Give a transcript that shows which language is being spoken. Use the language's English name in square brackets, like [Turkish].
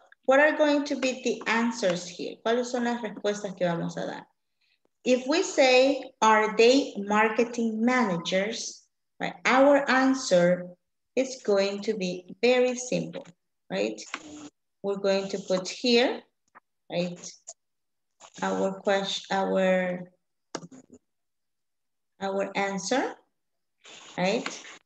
[English] What are going to be the answers here? [Spanish] ¿Cuáles son las respuestas que vamos a dar? [English] If we say, are they marketing managers? Right? Our answer is going to be very simple, right? We're going to put here, right? Our answer, right?